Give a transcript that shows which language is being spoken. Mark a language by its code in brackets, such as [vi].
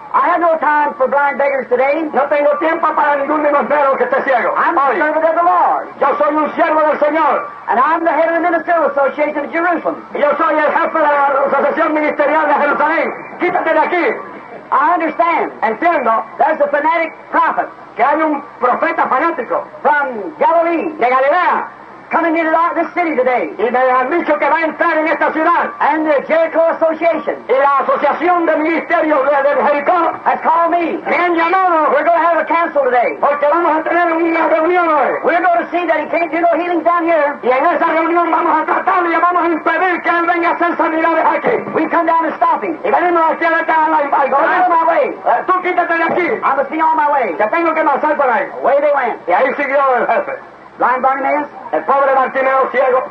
[en] I have no time for blind beggars today. [es] No tengo tiempo para ningún ministro que esté ciego. [en] I'm [es] hoy. [en] A servant of the Lord. [es] Yo soy un siervo del Señor. [en] And I'm the head of the ministerial association of Jerusalem. [es] Y yo soy el jefe de la asociación ministerial de Jerusalén. Quítate de aquí. [en] I understand. [es] Entiendo. [en] There's a fanatic prophet. [es] Que hay un profeta fanático. [en] From Galilee. [es] De Galilea. [en] Coming into this city today. [es] Y me han dicho que va a entrar en esta ciudad. [en] And the Jericho Association. [es] Y la asociación de ministerios de Jericó. [en] Has called me. [es] Me han llamado. [en] We're going to have a council today. [es] Porque vamos a tener una reunión hoy. [en] We're going to see that he can't do no healings down here. [es] Y en esa reunión vamos a tratarlo y vamos a impedir que él venga a hacer sanidades aquí. [en] We come down to stop him. [es] Y venimos aquí a la cara. [en] I go out of my way. [es] Tú quítate de aquí. [en] I must be on my way. [es] Ya tengo que pasar por ahí. [en] Away they went. [es] Y ahí siguió el jefe. [en] Blind Bartimaeus, [es] el pobre Bartimeo ciego,